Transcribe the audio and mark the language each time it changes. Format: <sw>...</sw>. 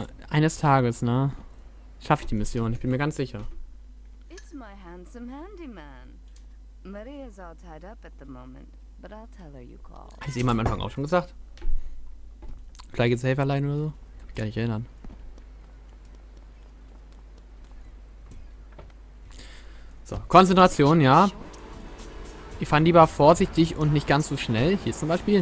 <de>Eines Tages, ne? Schaffe ich die Mission, ich bin mir ganz sicher.</de> <en>It's my handsome handyman. Maria's all tied up at the moment, but I'll tell her you call.</en> <de>Hat sie eben am Anfang auch schon gesagt? Vielleicht geht's safe allein oder so? Kann mich gar nicht erinnern. So, Konzentration, ja. Ich fahre lieber vorsichtig und nicht ganz so schnell. Hier zum Beispiel.</de>